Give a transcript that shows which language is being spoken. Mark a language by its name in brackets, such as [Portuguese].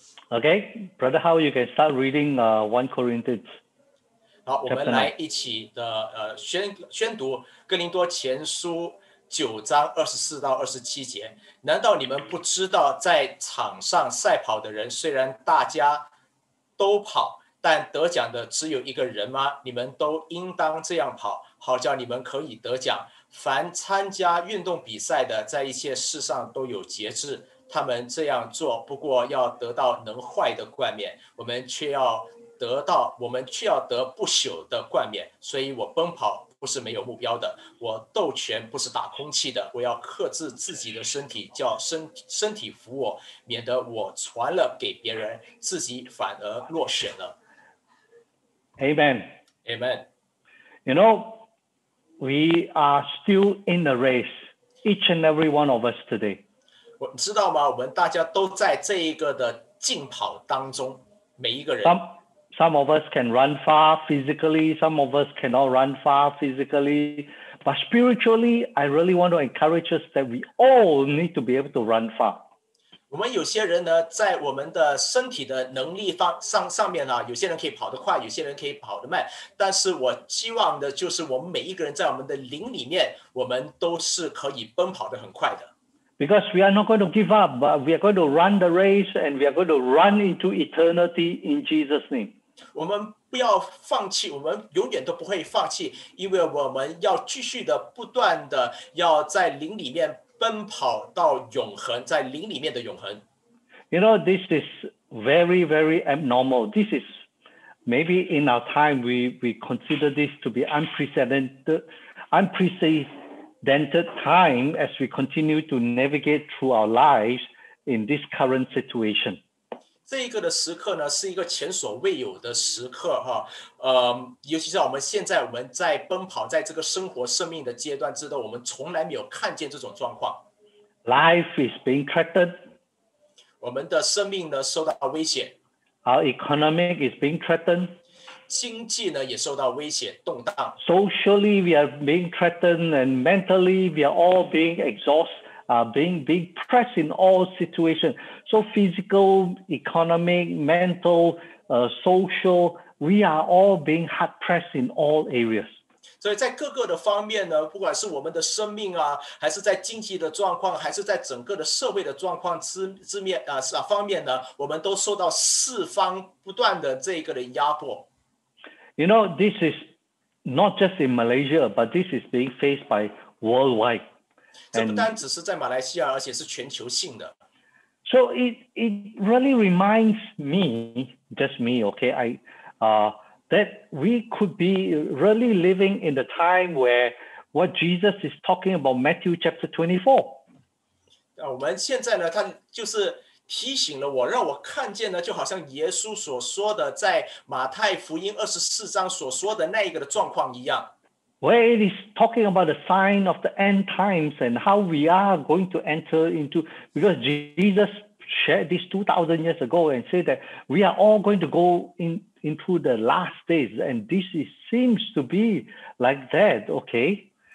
[English] Okay, Brother Hao, you can start reading 1 Corinthians. [Chinese] 好，我们来一起的宣读《哥林多前书》九章二十四到二十七节。难道你们不知道，在场上赛跑的人虽然大家都跑，但得奖的只有一个人吗？你们都应当这样跑，好叫你们可以得奖。凡参加运动比赛的，在一切事上都有节制。他们这样做，不过要得到能坏的冠冕，我们却要得不朽的冠冕。所以我奔跑不是没有目标的，我斗拳不是打空气的，我要克制自己的身体，叫身体服我，免得我传了给别人，自己反而落选了。 [English] Amen. Amen. You know, we are still in the race, each and every one of us today. [Chinese] 你知道吗？我们大家都在这一个的竞跑当中，每一个人。 [English] Some of us can run far physically, some of us cannot run far physically. But spiritually, I really want to encourage us that we all need to be able to run far. [Chinese] 我们有些人呢，在我们的身体的能力上面呢，有些人可以跑得快，有些人可以跑得慢。但是我希望的就是我们每一个人在我们的灵里面，我们都是可以奔跑得很快的。 [English] Because we are not going to give up, but we are going to run the race and we are going to run into eternity in Jesus' name. [Chinese] 我们不要放弃，我们永远都不会放弃，因为我们要继续的不断的要在灵里面奔跑到永恒，在灵里面的永恒。 [English] You know, this is very, very abnormal. This is maybe in our time we consider this to be unprecedented time as we continue to navigate through our lives in this current situation. [Chinese] 这一个的时刻呢，是一个前所未有的时刻哈。尤其像我们现在我们在奔跑，在这个生活生命的阶段之中，我们从来没有看见这种状况。 [English] Life is being threatened. [Chinese] 我们的生命呢受到威胁。 [English] Our economy is being threatened. [Chinese] 经济呢也受到威胁动荡。 [English] Socially, we are being threatened, and mentally, we are all being exhausted, being pressed in all situations. So physical, economic, mental, social, we are all being hard pressed in all areas. [Chinese] 所以在各个的方面呢，不管是我们的生命啊，还是在经济的状况，还是在整个的社会的状况方面呢，我们都受到四方不断的这个的压迫。 [English] You know, this is not just in Malaysia, but this is being faced by worldwide. [Chinese] 这不单只是在马来西亚，而且是全球性的。 [English] So it really reminds me, just me, okay, that we could be really living in the time where what Jesus is talking about, Matthew chapter 24. [Chinese] 我们现在呢，他就是提醒了我，让我看见呢，就好像耶稣所说的，在马太福音24章所说的那一个的状况一样。 [English] Where it is talking about the sign of the end times and how we are going to enter into, because Jesus shared this 2,000 years ago and said that we are all going to go into the last days, and this is, seems to be like that, okay?